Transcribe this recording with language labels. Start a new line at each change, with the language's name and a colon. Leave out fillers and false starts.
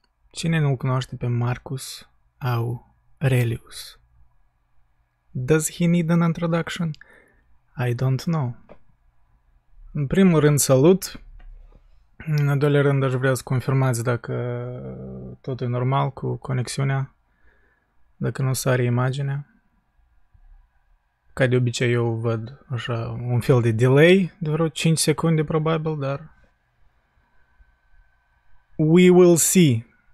Romanian: Cine nu-l cunoaște pe Marcus Aurelius?
English: Does he need an introduction? I don't know.
Romanian: În primul rând, salut. În al doilea rând, aș vrea să confirmați dacă tot e normal cu conexiunea, dacă nu sare imaginea. Ca de obicei eu văd așa un fel de delay de vreo 5 secunde probabil, dar
English: we will see.